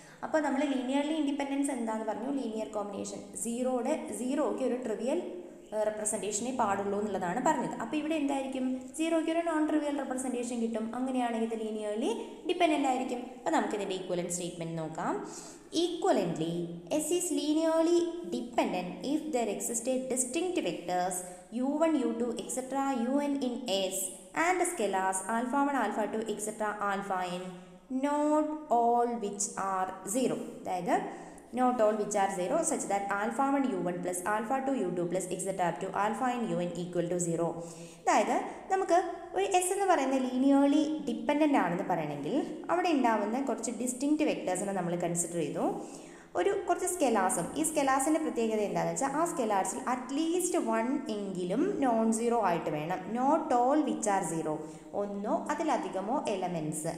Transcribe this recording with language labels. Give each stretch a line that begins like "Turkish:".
Malayalam: അപ്പോൾ നമ്മൾ linearly independence എന്താന്ന് പറഞ്ഞു, ലീനിയർ കോമ്പിനേഷൻ സീറോയുടെ സീറോയ്ക്ക് ഒരു ട്രിവിയൽ റെപ്രസെൻറ്റേഷനെ പാടുള്ളൂ എന്നുള്ളതാണ് പറഞ്ഞത്. അപ്പോൾ ഇവിടെ എന്തായിരിക്കും, സീറോയ്ക്ക് ഒരു നോൺ ട്രിവിയൽ റെപ്രസെൻറ്റേഷൻ കിട്ടും. അങ്ങനെയാണെങ്കിൽ ഇത് ലീനിയർലി ഡിപ്പെൻഡൻ്റ് ആയിരിക്കും. അപ്പോൾ നമുക്കിതിൻ്റെ ഈക്വലൻസ് സ്റ്റേറ്റ്മെൻറ്റ് നോക്കാം.
English: Equivalently, S is linearly dependent if there exist a distinct vectors u1, u2, etc., un in S and the scalars alpha1, alpha2, etc., alpha n, not all which are zero. That is, not all which are zero such that alpha1, u1 plus alpha2, u2 plus etc. up to alpha n, un equal to zero. That is,
Malayalam: നമുക്ക് ഒരു S എന്ന് പറയുന്നത് linearly dependent ആണെന്ന് പറയണമെങ്കിൽ അവിടെ ഉണ്ടാവുന്ന കുറച്ച് distinct വെക്ടേഴ്സിനെ നമ്മൾ കൺസിഡർ ചെയ്തു, ഒരു കുറച്ച് സ്കെലാസും. ഈ സ്കെലാസിൻ്റെ പ്രത്യേകത എന്താണെന്ന് വെച്ചാൽ ആ സ്കെലാർസിൽ അറ്റ്ലീസ്റ്റ് വൺ എങ്കിലും നോൺ സീറോ ആയിട്ട് വേണം,
English: not all which are zero,
Malayalam: ഒന്നോ അതിലധികമോ എലമെൻറ്റ്സ്.